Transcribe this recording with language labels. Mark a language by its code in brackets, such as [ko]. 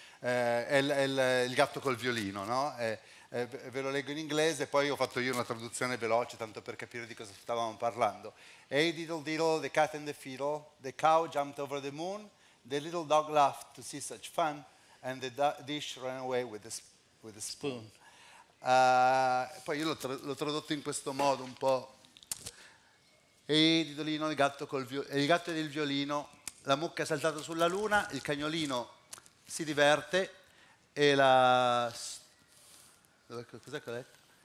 [it] È il gatto col violino, no? Ve lo leggo in inglese, poi ho fatto io una traduzione veloce, tanto per capire di cosa stavamo parlando. [en] Hey diddle diddle, the cat and the fiddle, the cow jumped over the moon, the little dog laughed to see such fun, and the dish ran away with a spoon. [it] Poi io l'ho tradotto in questo modo un po'. Hey diddolino, il gatto del violino, la mucca è saltata sulla luna, il cagnolino si diverte e la... Cos'è che ho letto?